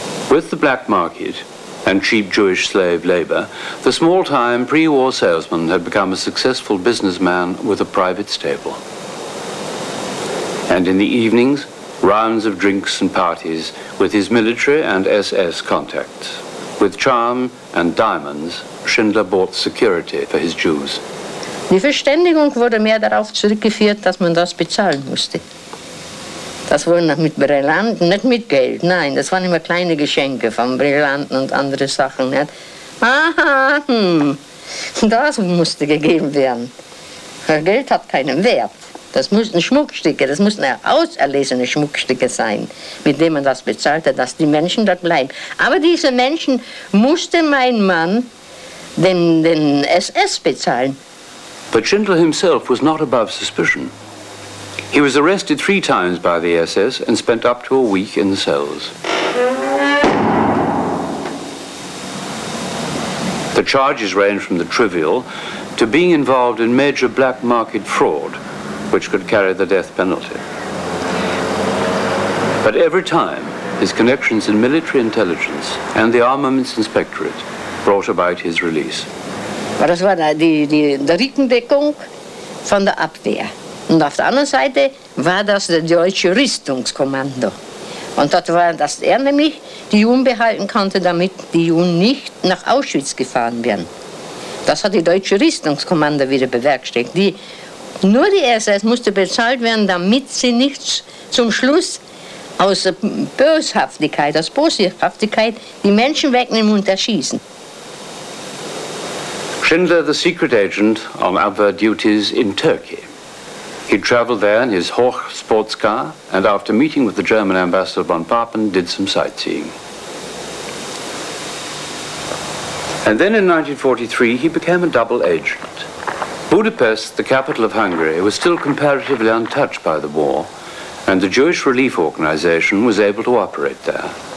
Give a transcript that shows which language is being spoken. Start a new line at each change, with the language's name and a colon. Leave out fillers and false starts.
English: With the black market and cheap Jewish slave labor, the small-time pre-war salesman had become a successful businessman with a private stable. And in the evenings, rounds of drinks and parties with his military and SS contacts. With charm and diamonds, Schindler bought security for his Jews.
German: Die Verständigung wurde mehr darauf zurückgeführt, dass man das bezahlen musste. Das wurden mit Brillanten, nicht mit Geld, nein, das waren immer kleine Geschenke von Brillanten und andere Sachen. Aha, das musste gegeben werden. Geld hat keinen Wert. Das mussten Schmuckstücke, das mussten auserlesene Schmuckstücke sein, mit denen man das bezahlte, dass die Menschen dort bleiben. Aber diese Menschen musste mein Mann den SS bezahlen.
English: But Schindler himself was not above suspicion. He was arrested 3 times by the SS and spent up to a week in the cells. The charges range from the trivial to being involved in major black market fraud, which could carry the death penalty. But every time, his connections in military intelligence and the armaments inspectorate brought about his release.
German: Aber das war die Rückendeckung von der Abwehr. Und auf der anderen Seite war das der deutsche Rüstungskommando. Und dort war, dass er nämlich die Juden behalten konnte, damit die Juden nicht nach Auschwitz gefahren werden. Das hat die deutsche Rüstungskommando wieder bewerkstelligt. Nur die SS musste bezahlt werden, damit sie nicht zum Schluss aus Böshaftigkeit, aus Boshaftigkeit die Menschen wegnehmen und erschießen.
English: Schindler, the secret agent on other duties in Turkey. He traveled there in his Horch sports car and after meeting with the German ambassador von Papen, did some sightseeing. And then in 1943, he became a double agent. Budapest, the capital of Hungary, was still comparatively untouched by the war and the Jewish Relief Organization was able to operate there.